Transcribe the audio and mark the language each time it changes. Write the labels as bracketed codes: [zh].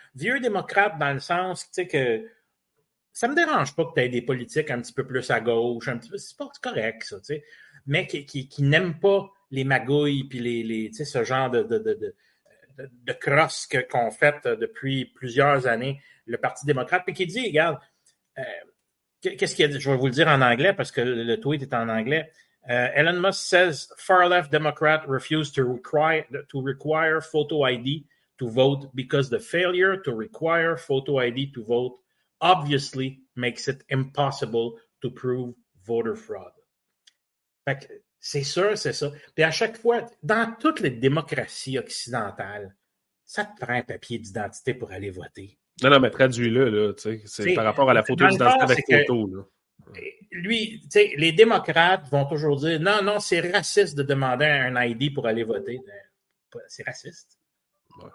[fr] Vieux démocrate dans le sens, tu sais, que ça me dérange pas que tu aies des politiques un petit peu plus à gauche, un petit peu, c'est pas correct, ça, tu sais. Mais qui n'aime pas les magouilles puis les tu sais, ce genre de crosse qu'on fait depuis plusieurs années, le Parti démocrate, puis qui dit, regarde, qu'est-ce qu'il a dit? Je vais vous le dire en anglais parce que le tweet est en anglais. [en] Elon Musk says, far-left Democrat refuse to require photo ID to vote because the failure to require photo ID to vote obviously makes it impossible to prove voter fraud. [fr] Fait que, c'est sûr, c'est ça. Puis à chaque fois, dans toutes les démocraties occidentales, ça te prend un papier d'identité pour aller voter. Non, mais traduis-le, là, tu sais, c'est par rapport à la photo d'identité avec photo, là. Lui, tu sais, les démocrates vont toujours dire, non, c'est raciste de demander un ID pour aller voter. C'est raciste. Ouais.